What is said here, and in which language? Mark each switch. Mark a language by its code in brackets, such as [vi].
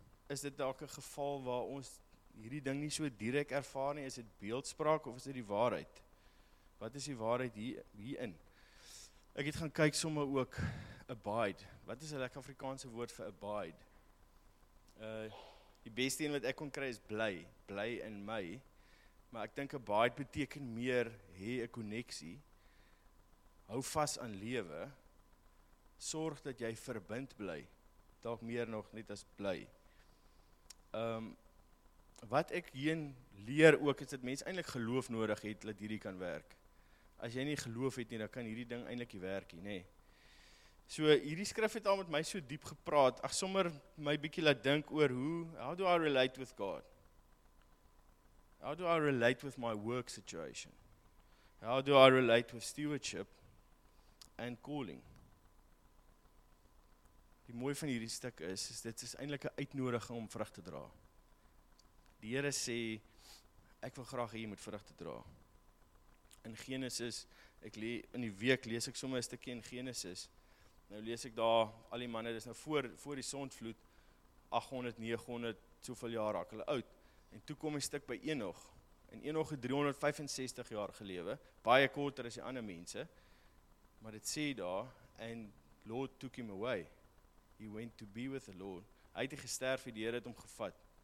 [af] Is dit dalk 'n geval waar ons hierdie ding nie so direk ervaar nie? Is dit beeldspraak of is dit die waarheid? Wat is die waarheid hierin? Ek het gaan kyk sommer ook abide. Wat is 'n lekker Afrikaanse woord vir abide? Die beste een wat ek kon kry is bly. Bly in my. Maar ek dink abide beteken meer hê 'n koneksie. Hou vas aan lewe. Sorg dat jy verbind bly. Dalk meer nog net as bly. Wat ek hierin leer ook is dat mens eintlik geloof nodig het dat hierdie kan werk. As jy nie geloof het nie, dan kan hierdie ding eintlik nie werk nie. So, hierdie skrif het al met my so diep gepraat, ag sommer my bietjie laat dink oor hoe, [en] how do I relate with God? How do I relate with my work situation? How do I relate with stewardship and calling? [af] Die mooie van hierdie stuk is dit is eintlik 'n uitnodiging om vrug te dra. Die Here sê, ek wil graag hê jy moet vrug te dra. In Genesis, in die week lees ek sommer 'n stukkie in Genesis, nou lees ek daar, al die manne, dis nou voor die sondvloed, 800, 900, soveel jaar raak hulle oud, en toe kom die stuk by Enoch, en Enoch het 365 jaar gelewe, baie korter as die ander mense, maar dit sê daar, [en] and Lord took him away, he went to be with the Lord, [af] hy het gesterf, die Here het hom gevat.